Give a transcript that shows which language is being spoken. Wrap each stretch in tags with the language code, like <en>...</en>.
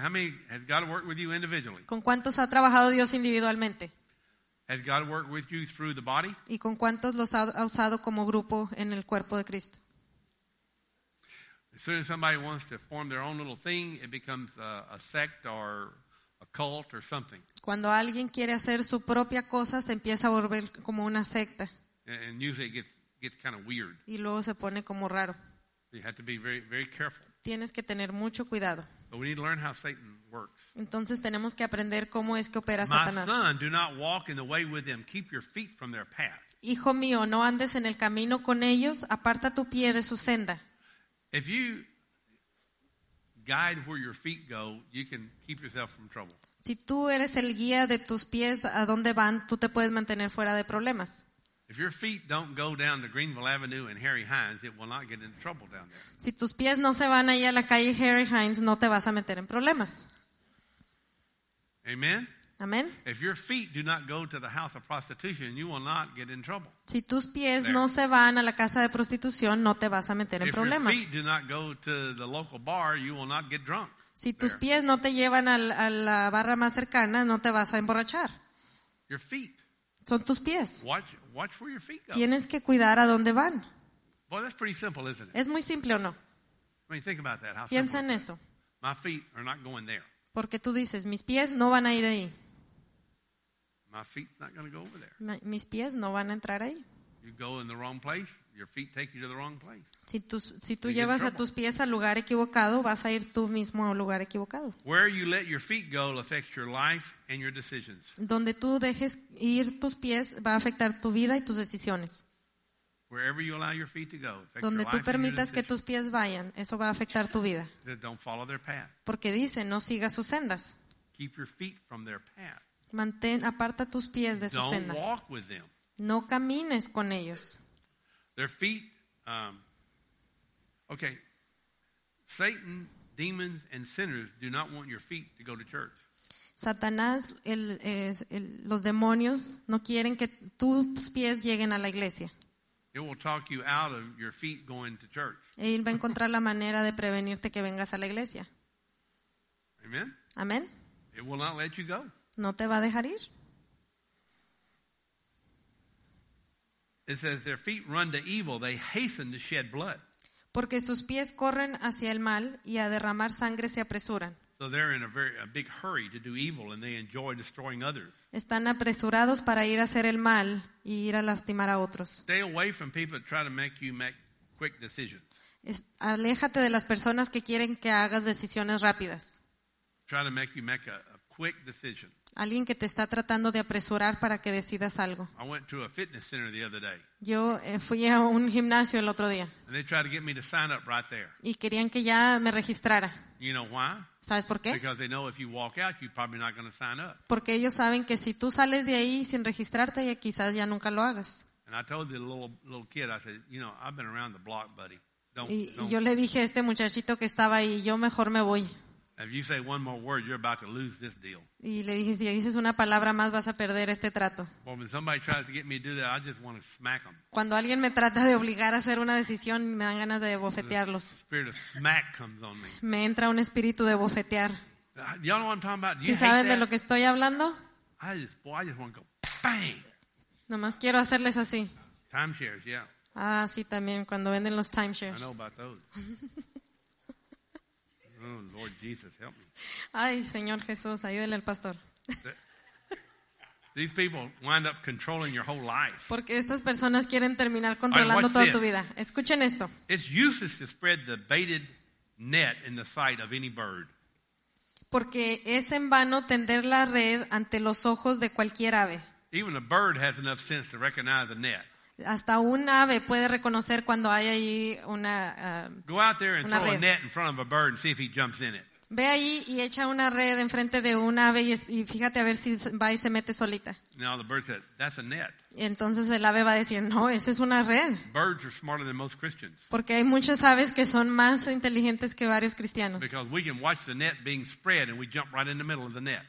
<en>How many has God worked with you individually?</en> <es>¿Con cuántos ha trabajado Dios individualmente?</es> <en>Has God worked with you through the body?</en> <es>¿Y con cuántos los ha usado como grupo en el cuerpo de Cristo?</es> <en>As soon as somebody wants to form their own little thing, it becomes a sect or a cult or something.</en> <es>Cuando alguien quiere hacer su propia cosa, se empieza a volver como una secta.</es> <en>And usually it gets kind of weird.</en> <es>Y luego se pone como raro.</es> <en>You have to be very, very careful.</en> <es>Tienes que tener mucho cuidado.</es> <en>But we need to learn how Satan works.</en> <es>Entonces tenemos que aprender cómo es que opera</es> <en>My</en> <es>Satanás.</es> <en>My son, do not walk in the way with them. Keep your feet from their path.</en> <es>Hijo mío, no andes en el camino con ellos. Aparta tu pie de su senda.</es> <en>If you guide where your feet go, you can keep yourself from trouble.</en> <es>Si tú eres el guía de tus pies a dónde van, tú te puedes mantener fuera de problemas.</es> <en>If your feet don't go down to Greenville Avenue and Harry Hines, it will not get into trouble down there.</en> <es>Si tus pies no se van ahí a la calle Harry Hines, no te vas a meter en problemas.</es> <en>Amen.</en> <es>Amen.</es> <en>If your feet do not go to the house of prostitution, you will not get in trouble.</en> <es>Si tus pies</es> <en>there.</en> <es>No se van a la casa de prostitución, no te vas a meter en</es> <en>If</en> <es>problemas.</es> <en>If your feet do not go to the local bar, you will not get drunk.</en> <es>Si tus</es> <en>there.</en> <es>Pies no te llevan a la barra más cercana, no te vas a emborrachar.</es> <en>Your feet.</en> <es>Son tus pies.</es> <en>Watch where your feet go.</en> <es>Tienes que cuidar a dónde van.</es> <en>Well, that's pretty simple, isn't it?</en> <es>¿Es muy simple o no?</es> <en>I mean, think about that. How</en> <es>Piensa</es> <en>simple</en> <es>en eso.</es> <en>My feet are not going there.</en> <es>Porque tú dices, mis pies no van a ir ahí.</es> <en>My feet's not going to go over there.</en> <es>Mis pies no van a entrar ahí.</es> <en>You go in the wrong place, your feet take you to the wrong place.</en> <es>Si tú llevas a tus pies al lugar equivocado, vas a ir tú mismo a un lugar equivocado.</es> <en>Where you let your feet go affects your life and your decisions.</en> <es>Donde tú dejes ir tus pies va a afectar tu vida y tus decisiones.</es> <en>Wherever you allow your feet to go, affects</en> <es>donde</es> <en>your life</en> <es>tú permitas</es> <en>and your</en> <es>que tus pies vayan, eso va a afectar tu vida.</es> <en>They don't follow their path.</en> <es>Porque dice, no sigas sus sendas.</es> <en>Keep your feet from their path.</en> <es>Aparta tus pies de</es> <en>don't</en> <es>su senda.</es> <en>Walk with them.</en> <es>No camines con ellos.</es> <en>Their feet. Okay. Satan, demons, and sinners do not want your feet to go to church.</en> <es>Satanás, los demonios no quieren que tus pies lleguen a la iglesia.</es> <en>It will talk you out of your feet going to church.</en> <es>Él va a encontrar la manera de prevenirte que vengas a la iglesia.</es> <en>Amen.</en> <es>Amen.</es> <en>It will not let you go.</en> <es>No te va a dejar ir.</es> <en>It says their feet run to evil, they hasten to shed blood.</en> <es>Porque sus pies corren hacia el mal y a derramar sangre se apresuran.</es> <en>So they're in a big hurry to do evil and they enjoy destroying others.</en> <es>Están apresurados para ir a hacer el mal y ir a lastimar a otros.</es> <en>Stay away from people that try to make you make quick decisions.</en> <es>Aléjate de las personas que quieren que hagas decisiones rápidas.</es> <en>Try to make you make a quick decision.</en> <es>Alguien que te está tratando de apresurar para que decidas algo.</es> <en>I went to a fitness center the other day.</en> <es>Yo fui a un gimnasio el otro día.</es> <en>And they tried to get me to sign up right there.</en> <es>Y querían que ya me registrara.</es> <en>You know why?</en> <es>¿Sabes por qué?</es> <en>Because they know if you walk out, you're probably not going to sign up.</en> <es>Porque ellos saben que si tú sales de ahí sin registrarte, ya quizás ya nunca lo hagas.</es> <en>And I told the little kid, I said, you know, I've been around the block, buddy.</en> <es>Y yo le dije a este muchachito que estaba ahí, yo mejor me voy.</es> <en>If you say one more word, you're about to lose this deal.</en> <es>Y le dije, si dices una palabra más, vas a perder este trato.</es> <en>Well, when somebody tries to get me to do that, I just want to smack them.</en> <es>Cuando alguien me trata de obligar a hacer una decisión, me dan ganas de bofetearlos.</es> <en>The spirit of smack comes on me.</en> <es>Me entra un espíritu de bofetear.</es> <en>Y'all know what I'm talking about?</en> <es>¿Sí saben de lo que estoy hablando?</es> <en>I just want to go bang.</en> <es>Nomás quiero hacerles así.</es> <en>Timeshares, yeah.</en> <es>Ah, sí, también cuando venden los timeshares.</es> <en>I know about those. Oh, Lord Jesus, help me.</en> <es>Ay, Señor Jesús, ayúdele al pastor.</es> <en>These people wind up controlling your whole life.</en> <es>Porque estas personas quieren terminar controlando toda tu vida. Escuchen esto.</es> <en>It's useless to spread the baited net in the sight of any bird.</en> <es>Porque es en vano tender la red ante los ojos de cualquier ave.</es> <en>Even a bird has enough sense to recognize a net.</en> <es>Hasta un ave puede reconocer cuando hay ahí una</es> <en>go out there and throw a net in front of a bird and see if he jumps in it.</en> <es>Ve ahí y echa una red enfrente de un ave y fíjate a ver si va y se mete solita.</es> <en>Now the bird said, "That's a net."</en> <es>Y entonces el ave va a decir, "No, esa es una red."</es> <en>Birds are smarter than most Christians.</en> <es>Porque hay muchas aves que son más inteligentes que varios cristianos.</es> <en>Because we can watch the net being spread and we jump right in the middle of the net.</en>